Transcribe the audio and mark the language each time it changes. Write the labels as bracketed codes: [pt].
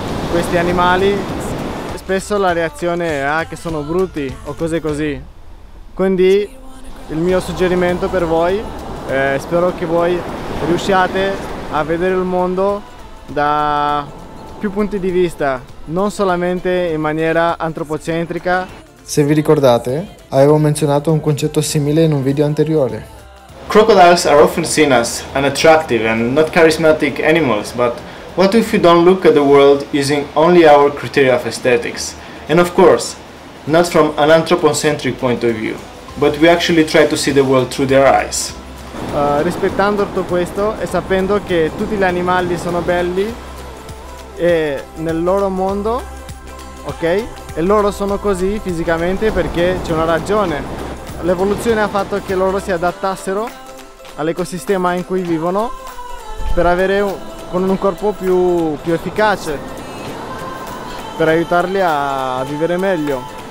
[it] questi animali, spesso la reazione è che sono brutti o cose così, quindi il mio suggerimento per voi, spero che voi riusciate a vedere il mondo da più punti di vista, non solamente in maniera antropocentrica. Se vi ricordate, avevo menzionato un concetto simile in un video anteriore. [en] Crocodiles are often seen as unattractive and not charismatic animals, but what if we don't look at the world using only our criteria of aesthetics? And of course, not from an anthropocentric point of view, but we actually try to see the world through their eyes. [it] Rispettando tutto questo e sapendo che tutti gli animali sono belli e nel loro mondo, ok? E loro sono così fisicamente perché c'è una ragione. L'evoluzione ha fatto che loro si adattassero all'ecosistema in cui vivono per avere con un corpo più efficace per aiutarli a vivere meglio.